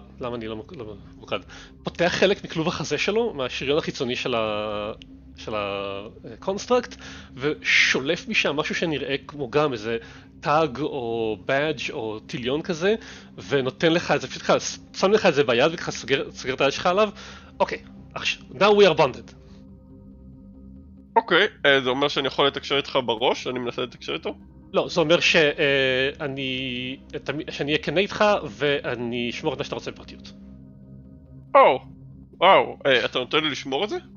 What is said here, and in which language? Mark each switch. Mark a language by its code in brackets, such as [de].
[he] למה אני לא מוקד? פותח חלק מכלוב החזה שלו, מהשריון החיצוני של ה... של הקונסטרקט, ושולף משם משהו שנראה כמו גם איזה טאג או בדג' או טיליון כזה, ונותן לך את זה, פשוט ככה, שם לך את זה ביד וככה סוגר את היד שלך עליו. אוקיי, עכשיו, [en] now we are bonded. [he] אוקיי, זה אומר שאני יכול לתקשר איתך בראש, אני מנסה לתקשר איתו? לא, זה אומר שאני אכן איתך ואני אשמור את מה שאתה רוצה בפרטיות. או, וואו, אתה נותן לי לשמור את זה?